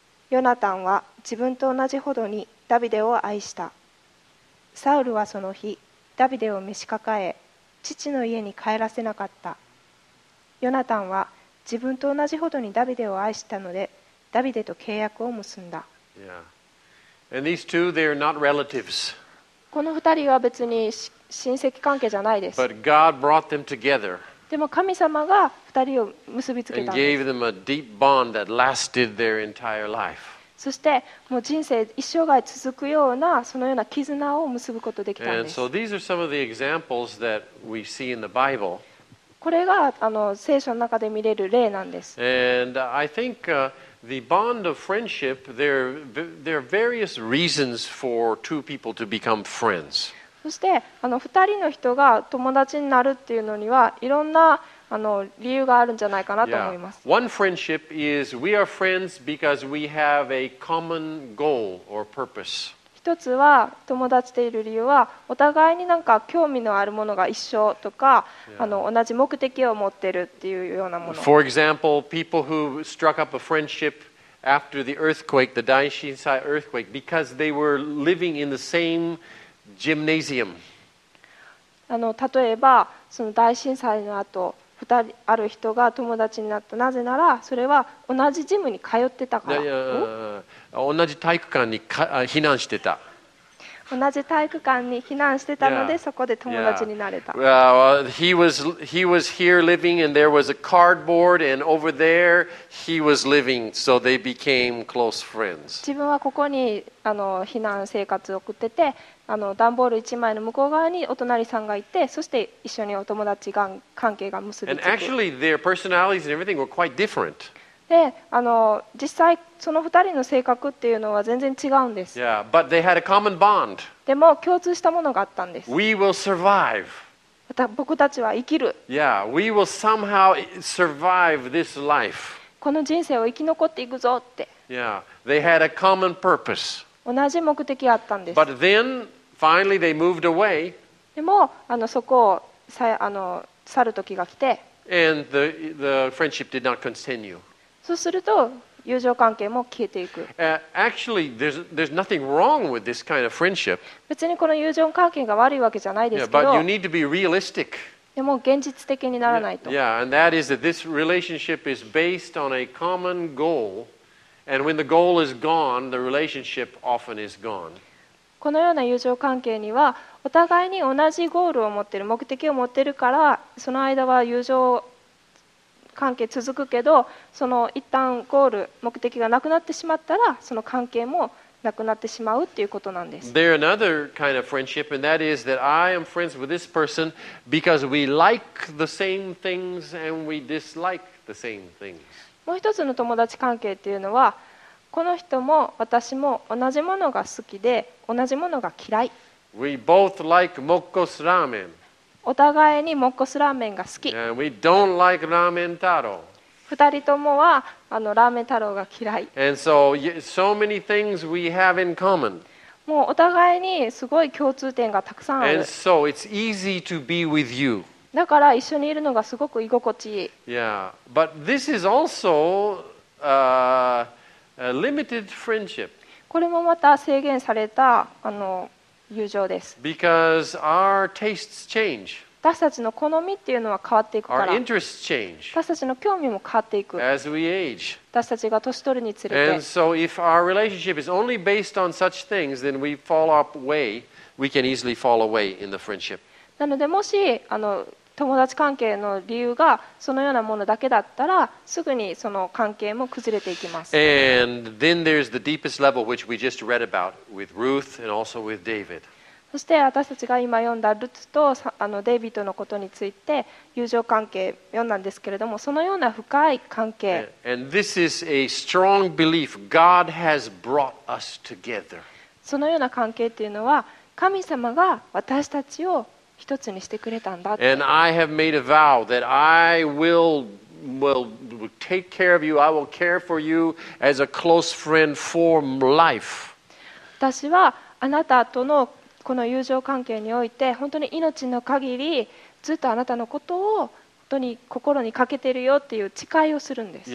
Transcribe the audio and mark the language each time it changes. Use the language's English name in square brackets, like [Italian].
[Japanese] ヨナタンは自分と同じほどにダビデを愛した。サウルはその日ダビデを召し抱え父の家に帰らせなかった。ヨナタンは自分と同じほどにダビデを愛したので、ダビデと契約を結んだ。 yeah. [English] And these two, they are not relatives. [Japanese] この二人は別に親戚関係じゃないです。 [English] But God brought them together. [Japanese] でも神様が2人を結びつけたんです。 [English] them a deep bond that lasted their entire life. [Japanese] そしてもう人生一生涯続くようなそのような絆を結ぶことができたんです。 [English] And so these are some of the examples that we see in the Bible. [Japanese] これが聖書の中で見れる例なんです。 [English] And I think the bond of friendship, there are various reasons for two people to become friends. [Japanese] そして二人の人が友達になるっていうのにはいろんな理由があるんじゃないかなと思います。 Yeah. [English] One friendship is we are friends because we have a common goal or purpose. [Japanese] 一つは友達している理由はお互いになんか興味のあるものが一緒とか、yeah. 同じ目的を持ってるっていうようなもの。 [English] For example, people who struck up a friendship after the earthquake, the Daishinsai earthquake, because they were living in the same Gymnasium. [Japanese] 例えばその大震災の後2人ある人が友達になった。なぜならそれは同じジムに通ってたから。同じ体育館に避難してた。同じ体育館に避難してたので、そこで友達になれた。 [English] he was here living and there was a cardboard and over there he was living, so they became close friends. [Japanese] 自分はここに避難生活を送ってて、段ボール一枚の向こう側にお隣さんがいて、そして一緒にお友達が関係が結びつく。 [English] And actually their personalities and everything were quite different. [Japanese] で実際その二人の性格っていうのは全然違うんです。 [English] Yeah, but they had a common bond. [Japanese] でも共通したものがあったんです。 [English] We will survive. [Japanese] また僕たちは生きる。 [English] Yeah, we will somehow survive this life. [Japanese] この人生を生き残っていくぞって。 [English] Yeah, they had a common purpose. [Japanese] 同じ目的があったんです。 [English] But then, finally, they moved away. [Japanese] でもそこを去る時が来て。 [English] And the friendship did not continue. [Japanese] そうすると友情関係も消えていく。 [English] Actually, there's nothing wrong with this kind of friendship. [Japanese] 別にこの友情関係が悪いわけじゃないですけど。 [English] Yeah, but you need to be realistic. [Japanese] でも現実的にならないと。 [English] Yeah, and that is that this relationship is based on a common goal, and when the goal is gone, the relationship often is gone. [Japanese] このような友情関係にはお互いに同じゴールを持っている目的を持っているからその間は友情関係続くけどその一旦ゴール目的がなくなってしまったらその関係もなくなってしまうということなんです。 [English] There is another kind of friendship, and that is that I am friends with this person because we like the same things and we dislike the same things. [Japanese] もう一つの友達関係っていうのはこの人も私も同じものが好きで同じものが嫌い。 [English] We both like Mokko's ramen. [Japanese] お互いにモッコスラーメンが好き。 [English] And we don't like ramen taro. [Japanese] 二人ともはラーメン太郎が嫌い。 [English] And so many things we have in common. [Japanese] もうお互いにすごい共通点がたくさんある。 [English] And so it's easy to be with you. [Japanese] だから一緒にいるのがすごく居心地いい。 [English] Yeah, but this is also, A limited friendship. [Japanese] これもまた制限された友情です。 [English] Because our tastes change. [Japanese] 私たちの好みっていうのは変わっていくから。 [English] Our interests change. [Japanese] 私たちの興味も変わっていく。 [English] As we age. [Japanese] 私たちが年取るにつれて。 [English] And so if our relationship is only based on such things, then we fall away. We can easily fall away in the friendship. [Japanese] なのでもし友達関係の理由がそのようなものだけだったらすぐにその関係も崩れていきます。 [English] And then there's the deepest level which we just read about with Ruth and also with David. [Japanese] そして私たちが今読んだルツとデイビッドのことについて友情関係読んだんですけれどもそのような深い関係。 [English] And this is a strong belief. God has brought us together. [Japanese] そのような関係というのは神様が私たちを一つにしてくれたんだって。 [English] And I have made a vow that I will take care of you. I will care for you as a close friend for life. [Japanese] 私はあなたとのこの友情関係において本当に命の限りずっとあなたのことを本当に心にかけてるよっていう誓いをするんです。